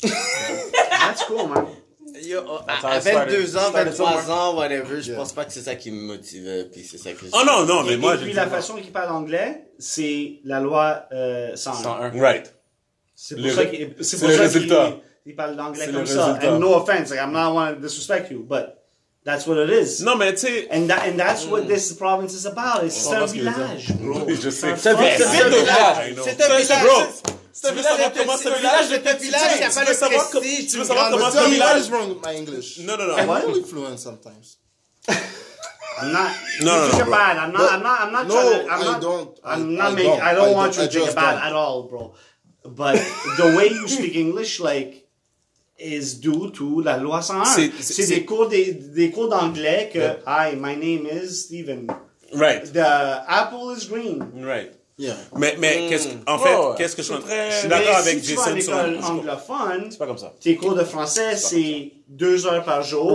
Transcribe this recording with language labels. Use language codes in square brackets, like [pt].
[en] That's cool, man. [fr] Yo, à 22 ans, 23 ans, whatever, je pense pas que c'est ça qui me motive. Puis c'est ça que oh non, non, mais et moi... Et puis la façon qu'il parle anglais, c'est la loi 101. [en] Right. [fr] C'est pour ça qu'il parle d'anglais comme ça. [en] And no offense, like, I'm not want to disrespect you, but that's what it is. [fr] Non, mais tu sais... [en] And that's what this province is about. It's [fr] un village, [en] bro. [fr] Je sais. C'est un village. C'est un village. [en] Bro. I don't want you to think about it at all, bro. But the way you speak English, like, is due to la loi 101. [fr] C'est des cours d'anglais que [en] hi, my name is Steven. Right. The apple is green. Right. Yeah. [fr] Mais qu'est-ce que je suis très... Je suis d'accord avec Jason. Si tu vas à l'école anglophone, c'est pas comme ça. Tes cours de français, c'est 2 heures par jour.